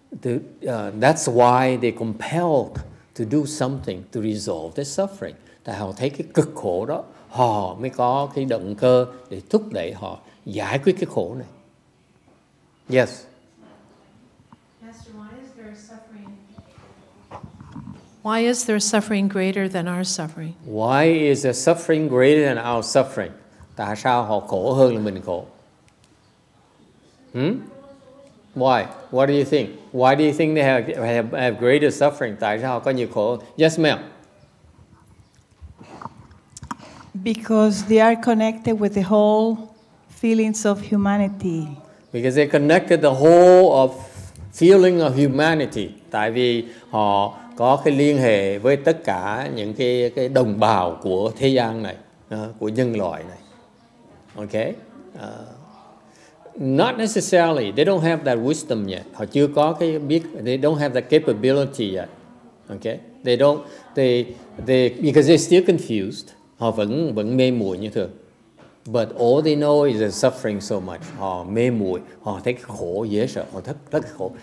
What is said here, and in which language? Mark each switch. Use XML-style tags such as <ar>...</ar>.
<en>That's why they compelled to do something to resolve their suffering.</en> <vi>Tại họ thấy cái cực khổ đó, họ mới có cái động cơ để thúc đẩy họ giải quyết cái khổ này.</vi> <en>Yes. Master, why is there suffering? Why is there suffering greater than our suffering? Why is there suffering greater than our suffering?</en> <vi>Tại sao họ khổ hơn là mình khổ?</vi> <en>Why? What do you think? Why do you think they have greater suffering?</en> <vi>Tại sao họ có nhiều khổ?</vi> <en>Yes, ma'am. Because they are connected with the whole feelings of humanity. Because they connected the whole of feeling of humanity.</en> <vi>Tại vì họ có cái liên hệ với tất cả những cái đồng bào của thế gian này, của nhân loại này.</vi> <en>Okay? Not necessarily. They don't have that wisdom yet.</en> <vi>Họ chưa có cái biết.</vi> <en>They don't have that capability yet. Okay? They don't. They because they're still confused.</en> <vi>Họ vẫn mê muội như thường.</vi> <en>But all they know is they're suffering so much.</en> <vi>Họ mê muội, họ thấy khổ dễ sợ, họ thấy rất khổ.</vi>